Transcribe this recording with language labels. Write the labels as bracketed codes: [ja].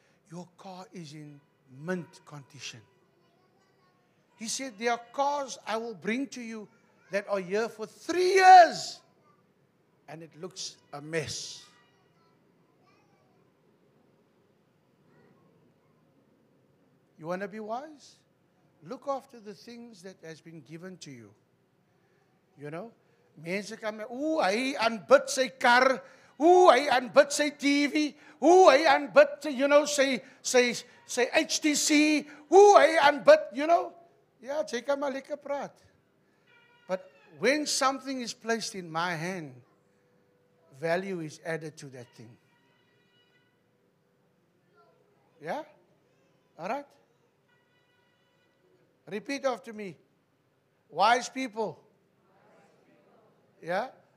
[en] Your car is in mint condition. He said, there are cars I will bring to you that are here for 3 years. And it looks a mess. You want to be wise? Look after the things that has been given to you. You know? [af] Mense kan my, ooh, hy aanbid sy kar. Ooh, hy aanbid sy TV. Ooh, hy aanbid, [en] you know, [af] sy HTC. Ooh, hy aanbid, [en] you know? [af] Ja, jy kan maar lekker praat. [en] But when something is placed in my hand, value is added to that thing. Yeah? All right? Repeat after me. Wise people. Yeah?